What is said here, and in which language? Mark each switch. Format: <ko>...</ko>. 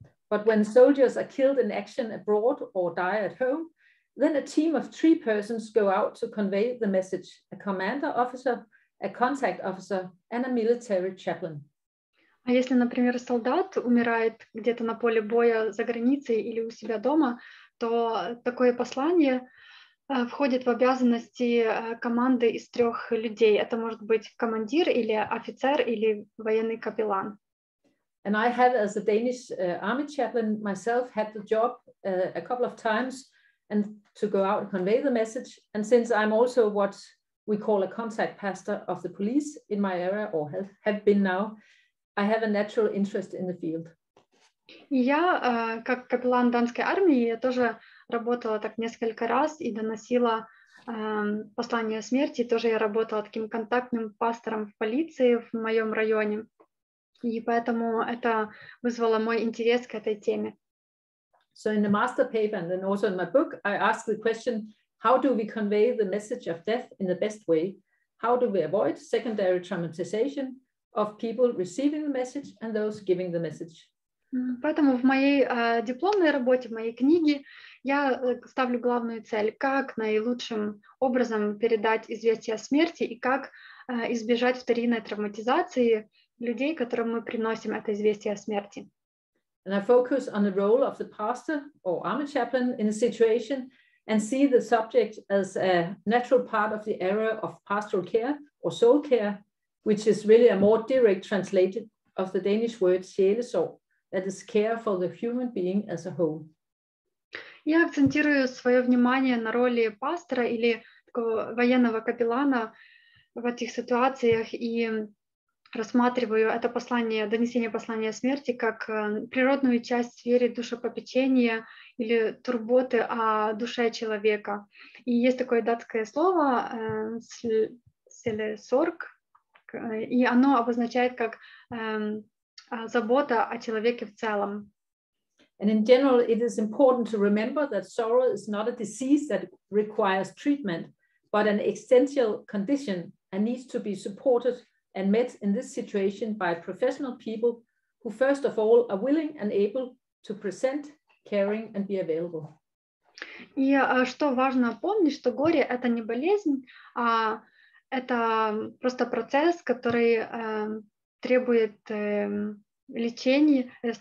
<en>But when soldiers are killed in action abroad or die at home, then a team of 3 persons go out to convey the message: a commander officer, a contact officer, and a military chaplain.</en> <ru>А если, например, солдат умирает где-то на поле боя за границей или у себя дома, то такое послание входит в обязанности команды из 3 людей. Это может быть командир или офицер или военный капеллан.</ru> <en>And I have, as a Danish army chaplain myself, had the job a couple of times and to go out and convey the message. And since I'm also what we call a contact pastor of the police in my area, or have been now, I have a natural interest in the field.</en> <ru>Я, как капеллан Данской армии, я тоже работала так несколько раз и доносила послание смерти. Тоже я работала таким контактным пастором в полиции в моем районе. И поэтому это вызвало мой интерес к этой теме.</ru> <en>So in the master paper and then also in my book, I ask the question: how do we convey the message of death in the best way? How do we avoid secondary traumatization of people receiving the message and those giving the message?</en> <ru>Поэтому в моей дипломной работе, в моей книге, я ставлю главную цель: как наилучшим образом передать известие о смерти и как избежать вторичной травматизации людей, которым мы приносим это известие о смерти.</ru> <en>And I focus on the role of the pastor or army chaplain in the situation and see the subject as a natural part of the era of pastoral care or soul care, which is really a more direct translation of the Danish word sjælesorg, that is care for the human being as a whole.</en> <ru>Я акцентирую свое внимание на роли пастора или военного капеллана в этих ситуациях и рассматриваю это послание, донесение послания смерти как природную часть в сфере душепопечения или турботы о душе человека. И есть такое датское слово «сельсорг», и оно обозначает как забота о человеке в целом.</ru> <en>And in general, it is important to remember that sorrow is not a disease that requires treatment, but an existential condition and needs to be supported and met in this situation by professional people who first of all are willing and able to present, caring and be available.</en> <ru>И что важно помнить, что горе — это не болезнь, а это просто процесс, который требует лечения.</ru>